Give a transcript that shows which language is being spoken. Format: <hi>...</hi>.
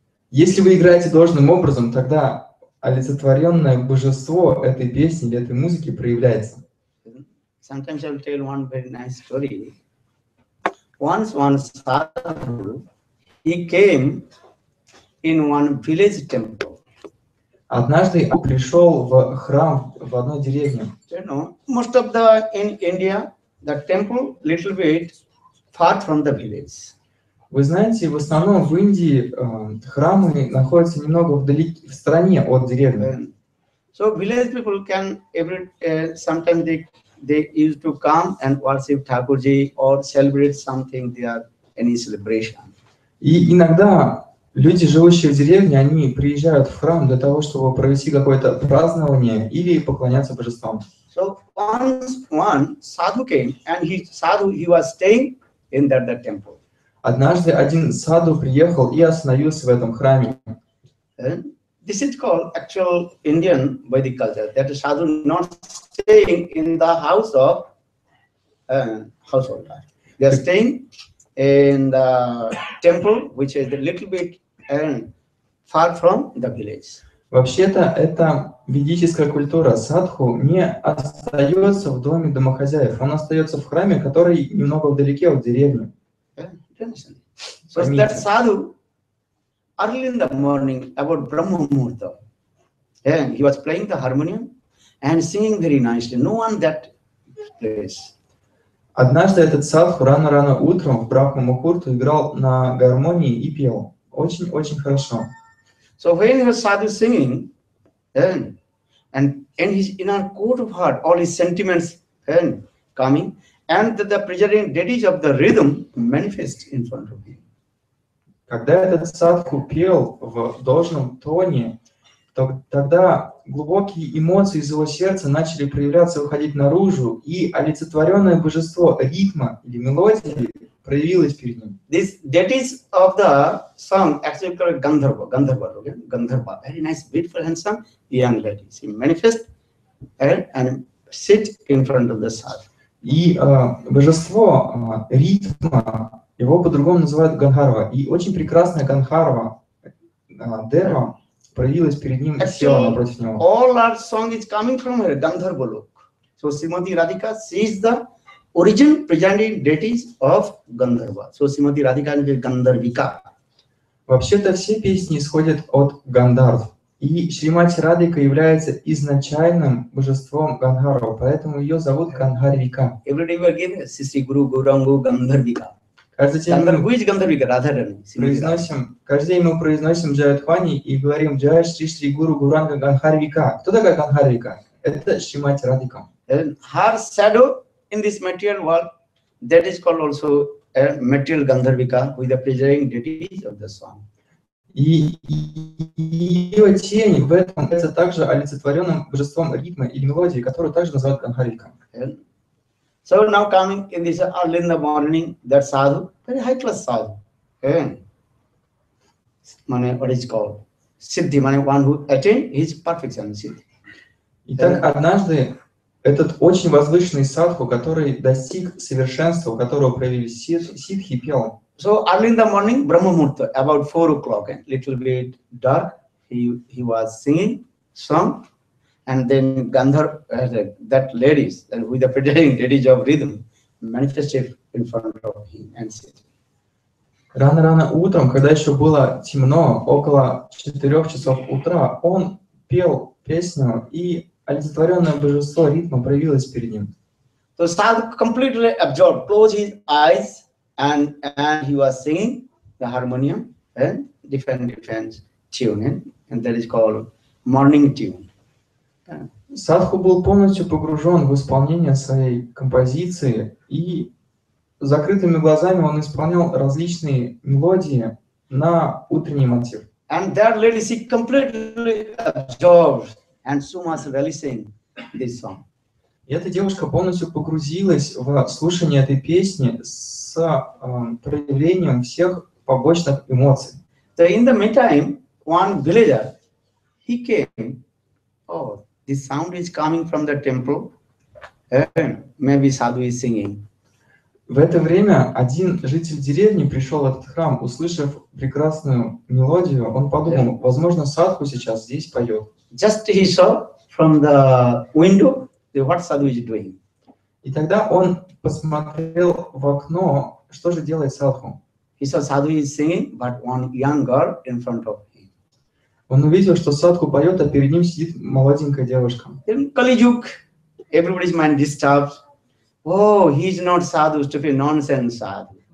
<ru>Если вы играете должным образом, тогда олицетворенное божество этой песни или этой музыки проявляется.</ru> <en>Sometimes I will tell one very nice story. Once one sadhu, he came in one village temple.</en> <ru>Однажды он пришел в храм в одной деревне.</ru> <en>You know, most of the in India, the temple little bit far from the village.</en> <ru>Вы знаете, в основном в Индии храмы находятся немного вдали, в стороне от деревни.</ru> <en>So village people can every sometimes they used to come and worship Thakurji or celebrate something there, any celebration.</en> <ru>И иногда люди, живущие в деревне, они приезжают в храм для того, чтобы провести какое-то празднование или поклоняться божествам.</ru> <en>So one sadhu came and he was staying in that temple.</en> <ru>Однажды один саду приехал и остановился в этом храме.</ru> <en>This is called actual Indian Vedic culture. That sadhu not staying in the house of householder. They are staying in the temple, which is a little bit far from the village.</en> <ru>Вообще-то это ведическая культура. Садху не остается в доме домохозяев. Он остается в храме, который немного вдалеке от деревни.</ru> <en>So that sadhu early in the morning about Brahma Muhurta, and he was playing the harmonium and singing very nicely. No one that place.</en> <ru>Однажды этот садху рано утром в Брахма Мухурту играл на гармонии и пел очень хорошо.</ru> <en>So when the sadhu singing, and his inner core of heart, all his sentiments and coming. And the presiding deities of the rhythm manifest in front of him.</en> <ru>Когда этот садху пел в должном тоне, то тогда глубокие эмоции из его сердца начали проявляться, выходить наружу, и олицетворенное божество ритма или мелодии проявилось перед ним.</ru> <en>These deities of the song actually called Gandharva, okay? Gandharva, very nice, beautiful, handsome young ladies. He manifest and sit in front of the sadhu.</en> <ru>И божество ритма, его по-другому называют Гандхарва. И очень прекрасная Гандхарва, Дерва, проявилась перед ним и села напротив него.</ru> <en>All our song is coming from her, Gandharva Lok. So Srimati Radhika, she is the origin presiding deity of Gandharva. So Srimati Radhika is Gandharvika.</en> <ru>Вообще-то все песни исходят от Гандхарв. И Шримати Радика является изначальным божеством Гандхарва, поэтому ее зовут Гандхарвика.</ru> <en>Every day we give Sisi Guru Gurangu Gandharvika.</en> <ru>Каждый день мы произносим Джай Адхвани и говорим Джай Шри Шри Гуру Гуранга Гандхарвика. Кто такая Гандхарвика? Это Шримати Радика.</ru> <en>Her shadow in this material world, that is called also a material Gandharvika, who is the presiding deity of the song.</en> <ru>И ее тень в этом является также олицетворенным божеством ритма или мелодии, которую также называют Гандхарвика.</ru> <en>So now coming in this early in the morning, that sadhu, very high class sadhu, Mane, what is called? Siddhi, mane, one who attained his perfection, siddhi.</en> <ru>Итак, однажды этот очень возвышенный садху, который достиг совершенства, у которого проявились сиддхи, пел.</ru> <en>So early in the morning, Brahma Muhurta, about 4 o'clock, a little bit dark, he was singing song, and then Gandharva, that ladies, with the presiding deities of rhythm, manifested in front of him and said.</en> <ru>Рано утром, когда еще было темно, около 4 часов утра, он пел песню, и олицетворенное божество ритма проявилось перед ним.</ru> <en>So sadhu completely absorbed, closed his eyes. And he was singing the harmonium and different tune, and that is called morning tune.</en> <ru>Садху был полностью погружен в исполнение своей композиции, и закрытыми глазами он исполнял различные мелодии на утренний мотив.</ru> <en>And that lady she completely absorbed and so much releasing this song.</en> <ru>И эта девушка полностью погрузилась в слушание этой песни с проявлением всех побочных эмоций.</ru> <en>So in the meantime, one villager, he came. Oh, this sound is coming from the temple. Maybe sadhu is singing.</en> <ru>В это время один житель деревни пришел в этот храм, услышав прекрасную мелодию, он подумал, возможно, садху сейчас здесь поет.</ru> <en>Just he saw from the window what sadhu is doing.</en> <ru>И тогда он посмотрел в окно, что же делает садху.</ru> <en>He saw sadhu is singing, but one young girl in front of him.</en> <ru>Он увидел, что садху поет, а перед ним сидит молоденькая девушка.</ru> <en>Then Kalijuk, everybody's mind disturbed. Oh, he's not sadhu, stupid nonsense sadhu.</en>